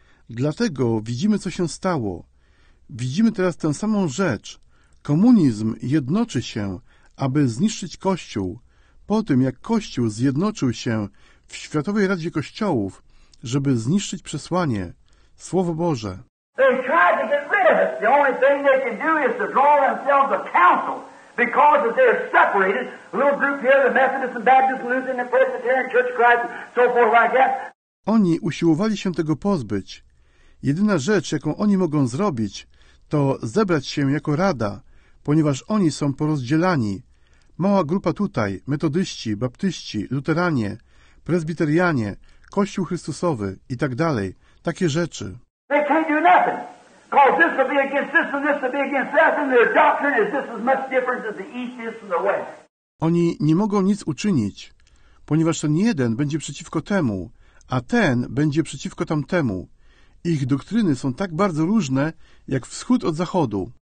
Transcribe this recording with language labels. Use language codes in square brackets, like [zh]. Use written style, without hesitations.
[pl] Dlatego widzimy, co się stało. Widzimy teraz tę samą rzecz. Komunizm jednoczy się, aby zniszczyć Kościół, po tym jak Kościół zjednoczył się w Światowej Radzie Kościołów, żeby zniszczyć przesłanie, Słowo Boże. [en] They tried to get rid of it. The only thing they can do is to draw themselves a council because they're separated. A little group here, the Methodist and Baptist, Lutheran and Presbyterian Church of Christ, and so forth like that. [pl] Oni usiłowali się tego pozbyć. Jedyna rzecz, jaką oni mogą zrobić, to zebrać się jako rada, ponieważ oni są porozdzielani. Mała grupa tutaj, metodyści, baptyści, luteranie, prezbiterianie, Kościół Chrystusowy i tak dalej, takie rzeczy. [en] They can't do nothing. Because this will be against this and this will be against that and their doctrine is just as much different as the east is from the west. [pl] Oni nie mogą nic uczynić, ponieważ ten jeden będzie przeciwko temu, a ten będzie przeciwko tamtemu. Ich doktryny są tak bardzo różne, jak wschód od zachodu.